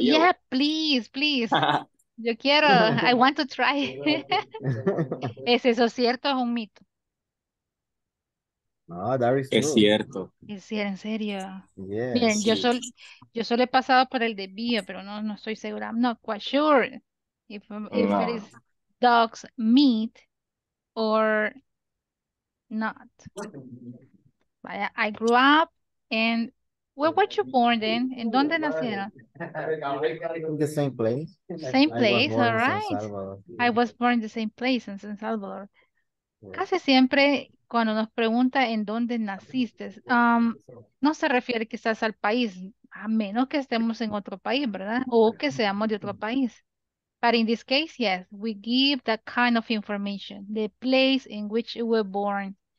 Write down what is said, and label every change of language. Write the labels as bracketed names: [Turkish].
[English] Yeah, please, please. [Spanish] Yo quiero, [English] I want to try. [Spanish] ¿Es eso cierto o es un mito? [English] No, that is true. [Spanish] Es cierto. Es cierto, en serio. [English] Yes. [Spanish] Miren, sí. yo solo he pasado por el desvío, pero no estoy segura. [English] I'm not quite sure if it is dog's meat or not. But I grew up and where were you born then? [Spanish] And donde nacieron? [English] In the same place. Same place, I was born all right. I was born in the same place in San Salvador. [Spanish] Casi siempre cuando nos pregunta en dónde naciste, no se refiere quizás al país, a menos que estemos en otro país, ¿verdad? O que seamos de otro país. [English] But in this case, yes, we give that kind of information, the place in which you were born.